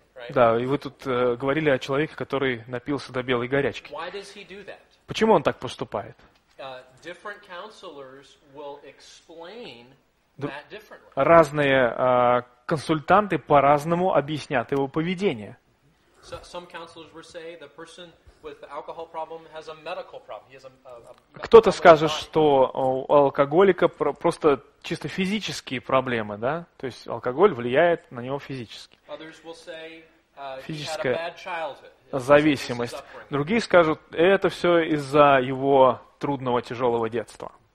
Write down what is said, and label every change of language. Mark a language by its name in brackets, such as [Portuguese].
[Russian] Да, и вы тут говорили о человеке, который напился до белой горячки. [English] Why does he do that? [Russian] Почему он так поступает? [English] Different counselors will explain that differently. [Russian] Разные консультанты по-разному объяснят его поведение. [English] Some counselors will say the person with the alcohol problem has a medical problem. [Russian] Кто-то скажет, что у алкоголика просто чисто физические проблемы, да? То есть алкоголь влияет на него физически. [English] Others will say [Russian] физическая зависимость. Другие скажут, это все из-за его трудного, тяжелого детства.